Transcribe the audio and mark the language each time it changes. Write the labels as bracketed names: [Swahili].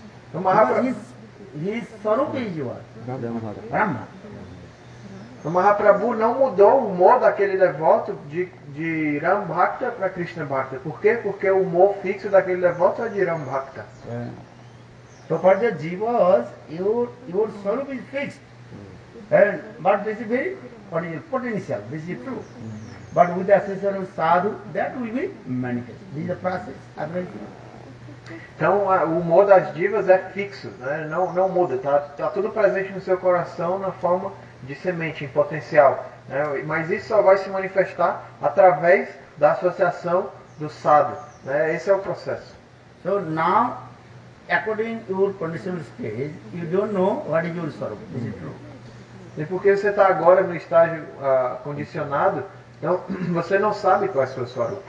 [Portuguese] Então, Mahaprabhu, [English] his swarup is your Ram. [Portuguese] O Mahaprabhu não mudou o humor daquele devoto de Ram Bhakta para Krishna Bhakta. Por quê? Porque o humor fixo daquele devoto é de Ram Bhakta. [English] So for the jivas, your swarup is fixed. But this is very potential, this is true. But with the assistance of sadhu, that will be manifest. This is the process. [Portuguese] Então o humor das jivas é fixo, né? não muda. Tá tudo presente no seu coração na forma de semente em potencial, né? Mas isso só vai se manifestar através da associação do sadhu, né? Esse é o processo. [English] So now, according to your conditional stage, you don't know what is your swarup. Is it true? [Portuguese] E porque você está agora no estágio condicionado, então você não sabe qual é o seu swarup.